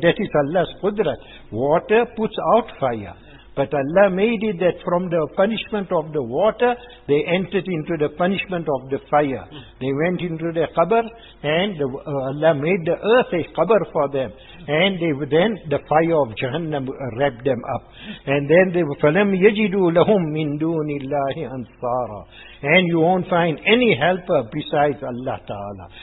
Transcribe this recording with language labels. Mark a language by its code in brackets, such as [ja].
[en] That is Allah's Qudrat. Water puts out fire. But Allah made it that from the punishment of the water, they entered into the punishment of the fire. They went into the qabr, and Allah made the earth a qabr for them. And they then the fire of Jahannam wrapped them up. And then they were, [ar] فَلَمْ يَجِدُوا لَهُمْ مِنْ دُونِ اللَّهِ أَنْصَارًا. [en] And you won't find any helper besides Allah Ta'ala.